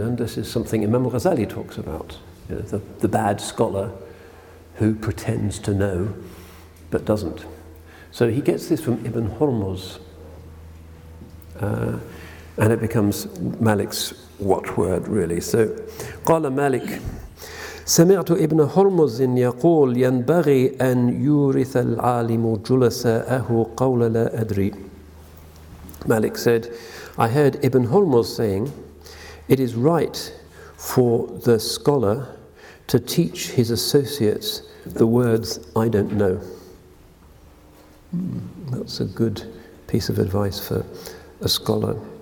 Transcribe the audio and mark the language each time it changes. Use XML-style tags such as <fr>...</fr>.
<en>And this is something Imam Ghazali talks about, you know, the bad scholar who pretends to know, but doesn't. So he gets this from Ibn Hurmuz, and it becomes Malik's watchword, really.</en> <ar>So, قال مالك سمعت ابن هرمز يقول ينبغي أن يورث العالم جلساءه قول لا أدري.</ar> <en>Malik said, "I heard Ibn Hurmuz saying, it is right for the scholar to teach his associates the words, 'I don't know.'" That's a good piece of advice for a scholar.</en>